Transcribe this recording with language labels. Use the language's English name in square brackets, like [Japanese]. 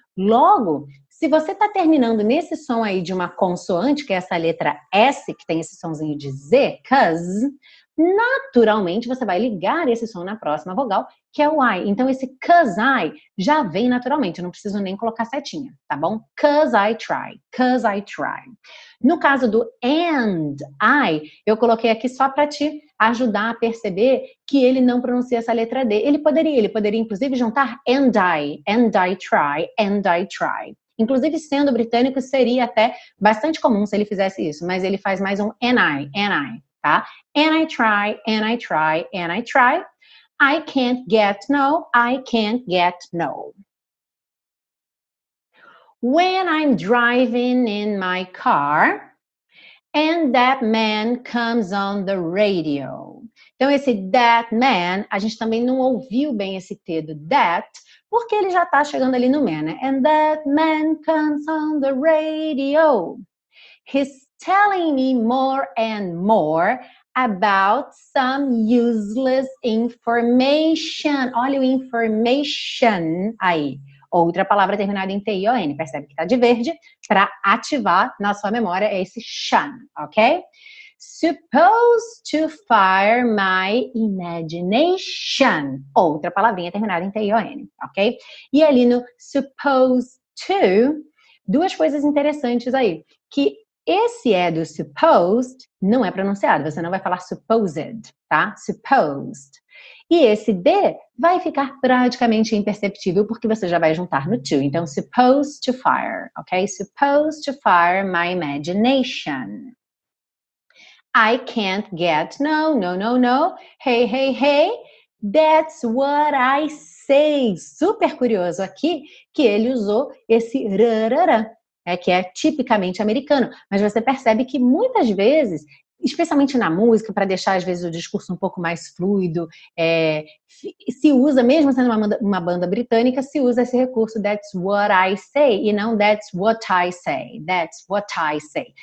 [Portuguese] Logo, se você tá terminando nesse som aí de uma consoante, que é essa letra S, que tem esse somzinho de Z, 'cause, naturalmente você vai ligar esse som na próxima vogal, que é o I. Então esse 'cause I já vem naturalmente, eu não preciso nem colocar setinha, tá bom? [English] 'Cause I try, 'cause I try. [Portuguese] No caso do and I, eu coloquei aqui só para te ajudar a perceber que ele não pronuncia essa letra D. Ele poderia inclusive juntar [English] and I try, and I try. [Portuguese] Inclusive, sendo britânico, seria até bastante comum se ele fizesse isso, mas ele faz mais um and I, tá? [English] And I try, and I try, and I try. I can't get no, I can't get no. When I'm driving in my car, and that man comes on the radio. [Portuguese] Então, esse [English] that man, [Portuguese] a gente também não ouviu bem esse T do that, porque ele já tá chegando ali no man, né? [English] And that man comes on the radio. He's telling me more and more about some useless information. [Portuguese] Olha o information aí. Outra palavra terminada em T-I-O-N. Percebe que tá de verde? Para ativar na sua memória é esse shun, ok? [English] Supposed to fire my imagination. [Portuguese] Outra palavrinha terminada em T-I-O-N, ok? E ali no supposed to, duas coisas interessantes aí. Que esse é do supposed, não é pronunciado. Você não vai falar supposed, tá? Supposed. E esse D vai ficar praticamente imperceptível, porque você já vai juntar no to. [English] Então, supposed to fire, ok? Supposed to fire my imagination. I can't get no, no, no, no. Hey, hey, hey, that's what I say. [Portuguese] Super curioso aqui que ele usou esse rarara, é que é tipicamente americano. Mas você percebe que muitas vezes, especialmente na música, para deixar às vezes o discurso um pouco mais fluido, se usa, mesmo sendo uma banda britânica, se usa esse recurso [English] that's what I say [Portuguese] e não that's what I say, that's what I say.